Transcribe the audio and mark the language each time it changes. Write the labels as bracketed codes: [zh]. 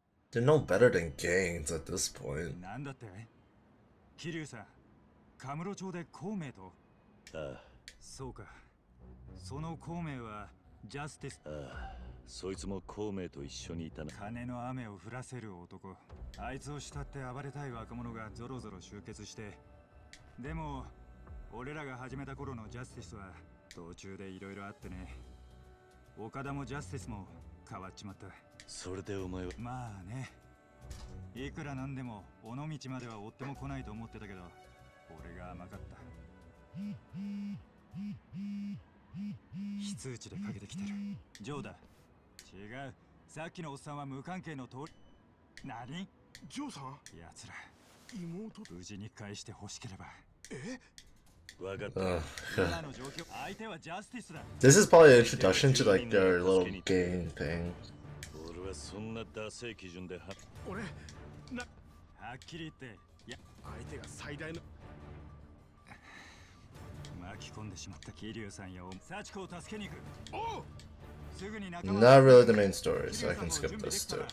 [en] They're no better than gangs at this point. [ja] なんだって？キリュウさん、カムロ町で孔明と。ああ。そうか、その孔明は、ジャスティス。ああ、そいつも孔明と一緒にいたな。金の雨を降らせる男。あいつを慕って暴れたい若者がゾロゾロ集結して。でも俺らが始めた頃のジャスティスは途中でいろいろあってね。岡田もジャスティスも変わっちまった。それでお前は。まあね、いくらなんでも尾道までは追っても来ないと思ってたけど、俺が甘かった。非通知でかけてきてる。ジョーだ。違う、さっきのおっさんは無関係の通り。何？ジョーさん、やつら妹無事に返してほしければ。え、分かった。今の状況、相手はジャスティスだ。 [en] This is probably an introduction to like their little game thing. [ja] 俺はそんなダセい基準で、俺な、はっきり言って、いや、相手が最大の巻き込んでしまったキリュウさんよ。サチコを助けに行く。おう。すぐに仲間。 [en] Not really the main story, so I can skip this too.